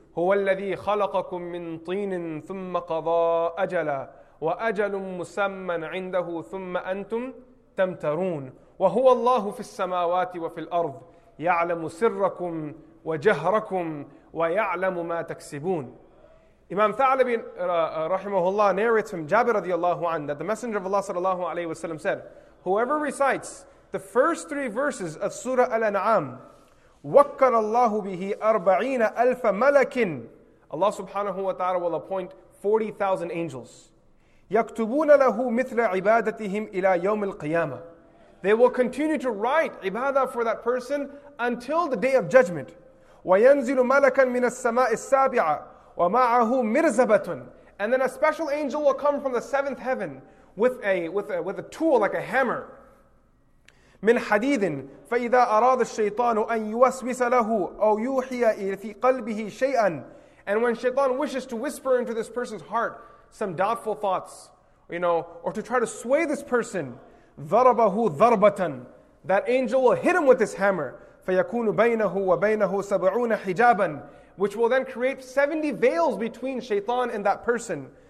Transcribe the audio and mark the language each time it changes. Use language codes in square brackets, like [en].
[ar] هو الذي خلقكم من طين ثم قضى أجلا وأجل مسمى عنده ثم أنتم تمترون وهو الله في السماوات وفي الأرض يعلم سركم وجهركم ويعلم ما تكسبون. [en] Imam Tha'labi رحمه الله narrates from Jabir رضي الله عنه that the Messenger of Allah صلى الله عليه وسلم said, whoever recites the first 3 verses of Surah Al-An'am, [ar] وَكَّلَ اللَّهُ بِهِ أَرْبَعِينَ أَلْفَ مَلَكٍ. [en] Allah subhanahu wa ta'ala will appoint 40,000 angels. [ar] يَكْتُبُونَ لَهُ مِثْلَ عِبَادَتِهِمْ إِلَىٰ يَوْمِ الْقِيَامَةِ. [en] They will continue to write ibadah for that person until the day of judgment. [ar] وَيَنْزِلُ مَلَكًا مِنَ السَّمَاءِ السَّابِعَةِ وَمَعَهُ مِرْزَبَةٌ. [en] And then a special angel will come from the seventh heaven with a tool like a hammer. [ar] من حديد فإذا أراد الشيطان أن يوسوس له أو يوحي في قلبه شيئا. [en] And when Shaitan wishes to whisper into this person's heart some doubtful thoughts, you know, or to try to sway this person, [ar] ضَرَبَهُ ضَرْبَةً. [en] That angel will hit him with his hammer. [ar] فَيَكُونُ بَيْنَهُ وَبَيْنَهُ سَبْعُونَ حِجَابًا. [en] Which will then create 70 veils between shaitan and that person.